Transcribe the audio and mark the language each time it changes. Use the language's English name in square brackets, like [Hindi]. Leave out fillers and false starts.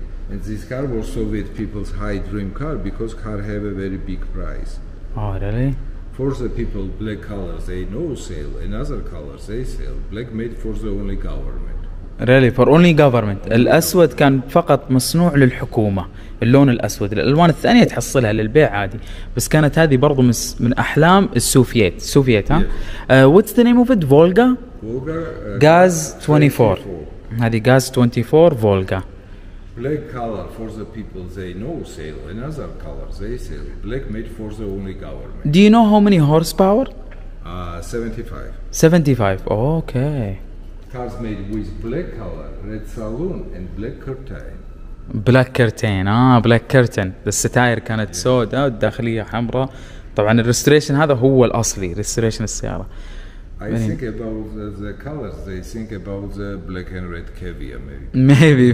[English] And this car was Soviet people's high dream car because car have a very big price. Oh, really? For the people, black colors they no sale. Another colors they sell. Black made for the only government. Really, for only government. [Arabic] الأسود كان فقط مصنوع للحكومة. اللون الأسود. الألوان الثانية تحصلها للبيع عادي. بس كانت هذه برضو من أحلام السوفييت. سوفييت ها. [English] What's the name of it? Volga. Volga. [Arabic] Gaz 24. هذه Gaz 24 Volga. [English] Black color for the people they know sale. Another color they sell. Black made for the only government. Do you know how many horsepower? 75. 75. Okay. Cars made with black color, red saloon, and black curtain. Black curtain. Black curtain. The [Arabic] ستاير كانت [English] yes. [Arabic] سوداء والداخلية حمراء. طبعا الريستوريشن هذا هو الأصلي. ريستوريشن السيارة. [English] I think about the colors. They think about the black and red caviar, maybe.